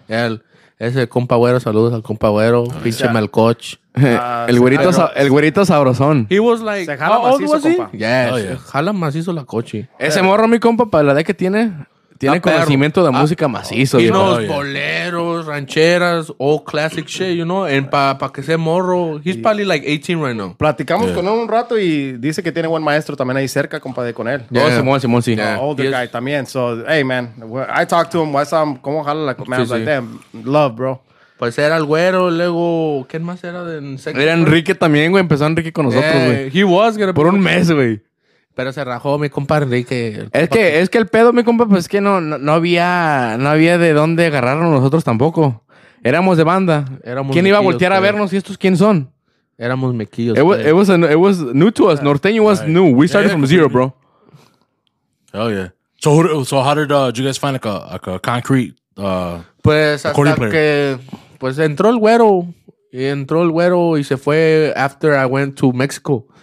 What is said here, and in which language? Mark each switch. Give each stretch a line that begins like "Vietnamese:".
Spanish: Él. Ese compa güero, saludos al compa güero. Pinche Malcoach. El güerito sabrosón.
English: He was like,
Spanish: se jala macizo, compa.
English: Yes. Oh, yeah.
Spanish: Jala macizo la coche. Ese morro, mi compa, para la edad que tiene, tiene conocimiento de música macizo. Y unos boleros, rancheras,
English: old classic shit, you know. And
Spanish: pa que sea morro,
English: he's probably like 18 right now.
Spanish: Platicamos con él un rato y dice que tiene buen maestro también ahí cerca, compa, de con él.
English: Yeah. Oh,
Spanish: Simón, sí.
English: No, older guy también. So, hey, man, I talked to him. I saw him,
Spanish: como jala la coche.
English: Sí, I was like, damn, love, bro.
Spanish: Pues era el güero, luego... ¿Quién más era de Insecto? Era Enrique también, güey. Empezó Enrique con nosotros, güey.
English: He was. Gonna...
Spanish: Por un mes, güey. Pero se rajó mi compa Enrique. Es que el pedo, mi compa, pues es que no había de dónde agarrarnos nosotros tampoco. Éramos de banda. Éramos ¿quién iba a voltear a vernos y estos quién son? Éramos mequillos.
English: It was new to us. Norteño was new. We started from zero, bro. Hell yeah. So how did you guys find like a concrete...
Spanish: Pues hasta que... Pues entró el güero y se fue
English: after I went to Mexico.